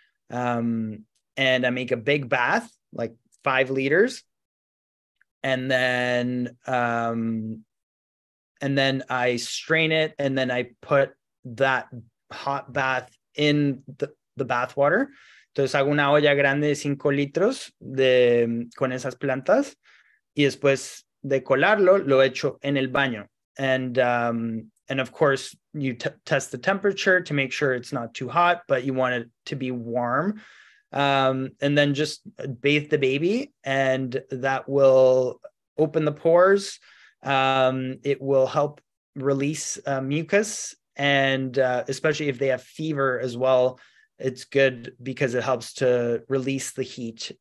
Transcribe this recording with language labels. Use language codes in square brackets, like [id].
[en] And I make a big bath, like 5 liters. And then I strain it, and then I put that hot bath in the bath water. [es] Entonces hago una olla grande de 5 litros con esas plantas, y después de colarlo lo echo en el baño. [en] And of course you test the temperature to make sure it's not too hot, but you want it to be warm. And then just bathe the baby, and that will open the pores, It will help release mucus, and especially if they have fever as well, it's good because it helps to release the heat.